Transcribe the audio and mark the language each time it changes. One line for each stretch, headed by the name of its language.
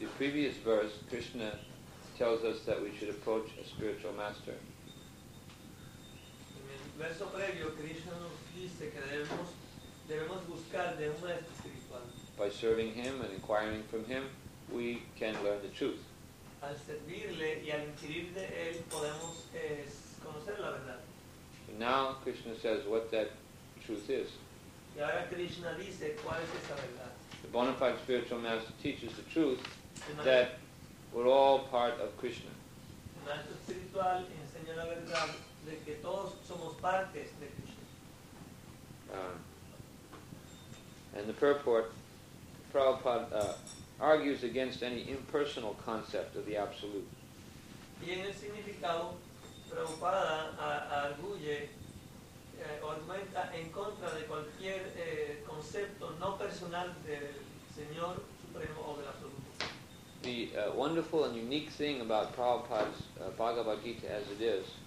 English: The previous verse, Krishna tells us that we should approach a spiritual master.
Spanish: En el verso previo, Krishna nos dice que debemos buscar de un maestro espiritual.
English: By serving him and inquiring from him, we can learn the truth.
Spanish: Al servirle y al inquirir de él podemos conocer la verdad.
English: But now Krishna says what that truth is.
Spanish: Y ahora Krishna dice cuál es esa verdad.
English: The bona fide spiritual master teaches the truth that we're all part of Krishna.
Spanish: El maestro espiritual enseña la verdad de que todos somos partes de Krishna.
English: And the purport, Prabhupada argues against any impersonal concept of the Absolute.
Spanish: Y en el significado, Prabhupada arguye, argumenta en contra de cualquier concepto no personal del Señor Supremo o del Absoluto.
English: The wonderful and unique thing about Prabhupada's Bhagavad Gita as it is,